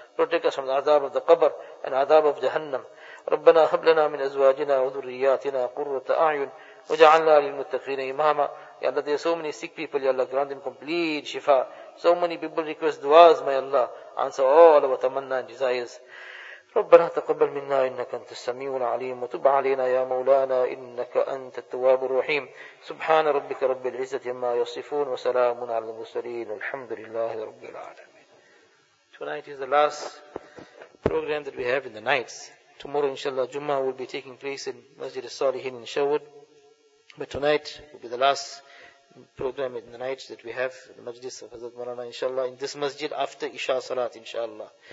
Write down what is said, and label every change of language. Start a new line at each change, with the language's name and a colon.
English: Protect us from the azab of the qabr and azab of Jahannam.
Arabic: Rabbana hab lana min azwajina wa dhurriyatina qurrata a'yun. وجعلنا للمتقين إماما.
English: يا الله, there are so many sick people, يا الله, grant them complete shifa. So many people request duas, يا الله, answer all our تمنى and desires.
Arabic: ربنا تقبل منا إنك أنت السميع العليم وتب علينا يا مولانا إنك أنت التواب الرحيم. سبحان ربك رب العزة ما يصفون وسلام على المرسلين الحمد لله رب العالمين.
English: Tonight is the last program that we have in the nights. Tomorrow, inshallah, Jummah will be taking place in Masjid al-Salihin in Sherwood. But tonight will be the last program in the night that we have the majlis of Hazrat Marana, inshallah, in this masjid after Isha Salat, inshallah.